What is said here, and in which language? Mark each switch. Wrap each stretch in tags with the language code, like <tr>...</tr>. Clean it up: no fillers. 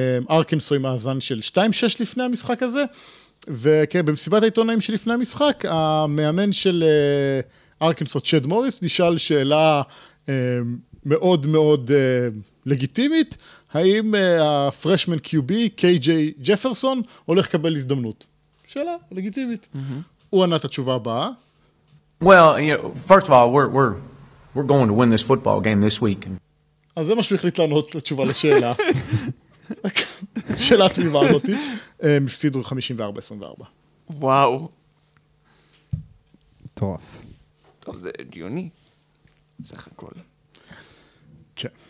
<he>ארקנסו עם מאזן של 2-6 לפני המשחק הזה, וכן, במסיבת העיתונאים שלפני המשחק, המאמן של ארקנסו, צ'ד מוריס, נשאל שאלה מאוד מאוד לגיטימית, האם הפרשמן קיובי, קיי-ג'יי ג'פרסון, הולך לקבל הזדמנות? שאלה לגיטימית. הוא ענה את התשובה הבאה.</he> <en>Well, you know, first of all, we're going to win this football game this week.</en> <he>אז זה מה שהוא החליט לענות לתשובה לשאלה. שאלה תמימה הזאת. מפסידו 54-24. וואו. טוב. טוב, זה דיוני. סך הכל. כן.</he>